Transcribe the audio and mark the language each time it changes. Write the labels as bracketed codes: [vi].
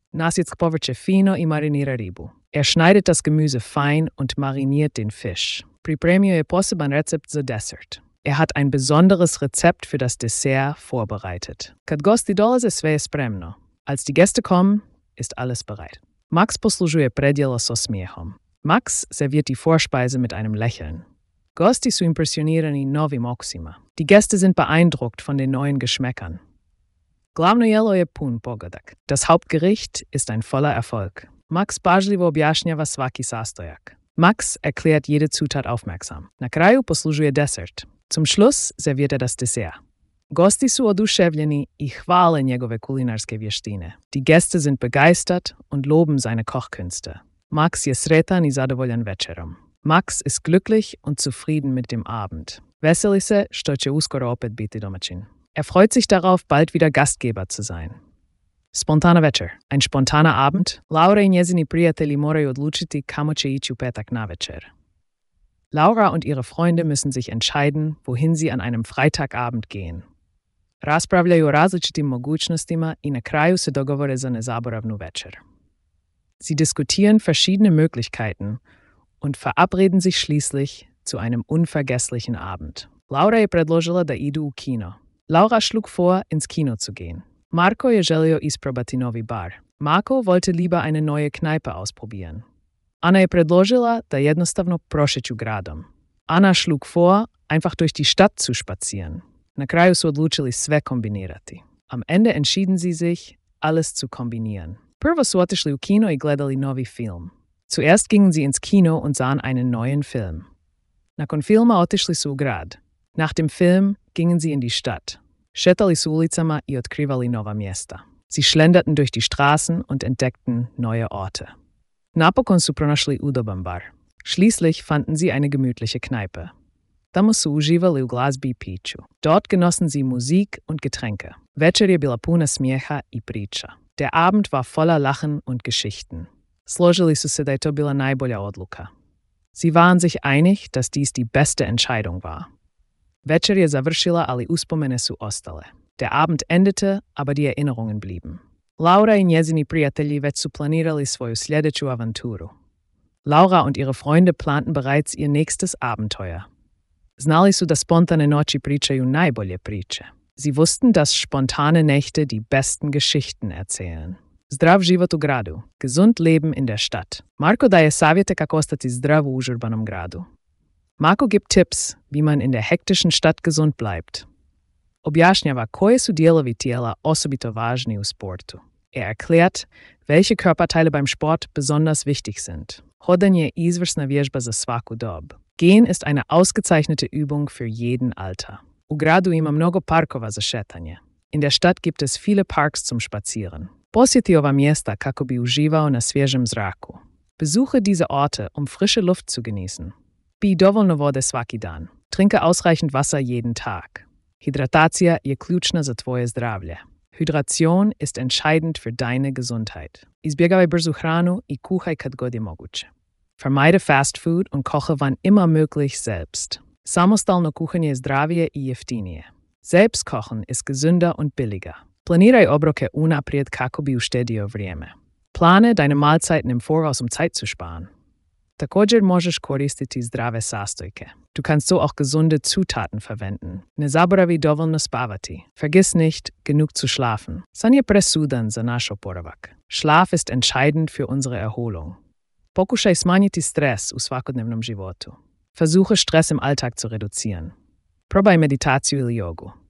[hr] Nasjec povrće fino i marinira ribu. [de] Er schneidet das Gemüse fein und mariniert den Fisch. [hr] Pripremio je poseban recept za dessert. [de] Er hat ein besonderes Rezept für das Dessert vorbereitet. [hr] Kad gosti dolaze, sve je spremno. [de] Als die Gäste kommen, ist alles bereit. [hr] Max poslužuje predjelo so smijehom. [de] Max serviert die Vorspeise mit einem Lächeln. [hr] Gosti su impressionirani novim oksima. [de] Die Gäste sind beeindruckt von den neuen Geschmäckern. [hr] Glavno jelo je pun pogodak. [de] Das Hauptgericht ist ein voller Erfolg. [hr] Max pažljivo objašnjava svaki sastojak. [de] Max erklärt jede Zutat aufmerksam. [hr] Na kraju poslužuje desert. [de] Zum Schluss serviert das Dessert. [hr] Gosti su oduševljeni i hvale njegove kulinarske vještine. [de] Die Gäste sind begeistert und loben seine Kochkünste. [hr] Max je sretan i zadovoljan večerom. [de] Max ist glücklich und zufrieden mit dem Abend. [hr] Veseli se što će uskoro opet biti domaćin. [de] Er freut sich darauf, bald wieder Gastgeber zu sein. [hr] Spontana večer. [de] Ein spontaner Abend. [hr] Laura i njezini prijatelji moraju odlučiti kamo će ići u petak na večer. [de] Laura und ihre Freunde müssen sich entscheiden, wohin sie an einem Freitagabend gehen. [hr] Raspravljaju o različitim mogućnostima i na kraju se dogovore za nezaboravnu večer. [de] Sie diskutieren verschiedene Möglichkeiten und verabreden sich schließlich zu einem unvergesslichen Abend. [hr] Laura je predložila da idu u kino. [de] Laura schlug vor, ins Kino zu gehen. [hr] Marco je želio isprobati novi bar. [de] Marco wollte lieber eine neue Kneipe ausprobieren. [hr] Anna je predložila da jednostavno prošeću gradom. [de] Anna schlug vor, einfach durch die Stadt zu spazieren. [hr] Na kraju su odlučili sve kombinirati. [de] Am Ende entschieden sie sich, alles zu kombinieren. [hr] Prvo su otišli u kino i gledali novi film. [de] Zuerst gingen sie ins Kino und sahen einen neuen Film. [hr] Nakon filma otišli su u grad. [de] Nach dem Film gingen sie in die Stadt. [hr] Šetali su ulicama i otkrivali nova mjesta. [de] Sie schlenderten durch die Straßen und entdeckten neue Orte. [hr] Napokon su pronašli udoban bar. [de] Schließlich fanden sie eine gemütliche Kneipe. [hr] Tamo su uživali u glazbi i piću. [de] Dort genossen sie Musik und Getränke. [hr] Večer je bila puna smijeha i priča. [de] Der Abend war voller Lachen und Geschichten. [hr] Složili su se da je to bila najbolja odluka. [de] Sie waren sich einig, dass dies die beste Entscheidung war. [hr] Večer je završila, ali uspomene su ostale. [de] Der Abend endete, aber die Erinnerungen blieben. [hr] Laura i njezini prijatelji već su planirali svoju sljedeću avanturu. [de] Laura und ihre Freunde planten bereits ihr nächstes Abenteuer. [hr] Znali su da spontane noći pričaju najbolje priče. [de] Sie wussten, dass spontane Nächte die besten Geschichten erzählen. [hr] Zdrav život u gradu. [de] Gesund leben in der Stadt. [hr] Marco daje savjete kako ostati zdrav u užurbanom gradu. [de] Marco gibt Tipps, wie man in der hektischen Stadt gesund bleibt. [hr] Objašnjava koje su dijelovi tijela osobito važni u sportu. [de] Erklärt, welche Körperteile beim Sport besonders wichtig sind. [hr] Hodanje izvrsna vježba za svaku dob. [de] Gehen ist eine ausgezeichnete Übung für jeden Alter. [hr] U gradu ima mnogo parkova za šetanje. [de] In der Stadt gibt es viele Parks zum Spazieren. [hr] Posjeti ova mjesta kako bi uživao na svježem zraku. [de] Besuche diese Orte, um frische Luft zu genießen. [hr] Pij dovoljno vode svaki dan. [de] Trinke ausreichend Wasser jeden Tag. [hr] Hydratacija je ključna za tvoje zdravlje. [de] Hydration ist entscheidend für deine Gesundheit. [hr] Izbjegavaj brzu hranu i kuhaj kad god je moguće. [de] Vermeide fast food und koche wann immer möglich selbst. [hr] Samostalno kuhanje je zdravije i jeftinije. [de] Selbstkochen ist gesünder und billiger. [hr] Planiraj obroke unaprijed kako bi uštedio vrijeme. [de] Plane deine Mahlzeiten im Voraus, um Zeit zu sparen. [hr] Također možeš koristiti zdrave sastojke. [de] Du kannst so auch gesunde Zutaten verwenden. [hr] Ne zaboravi dovoljno spavati. [de] Vergiss nicht, genug zu schlafen. [hr] San je presudan za naš oporavak. [de] Schlaf ist entscheidend für unsere Erholung. [hr] Pokušaj smanjiti stres u svakodnevnom životu. [de] Versuche Stress im Alltag zu reduzieren. [hr] Probaj meditaciju ili jogu.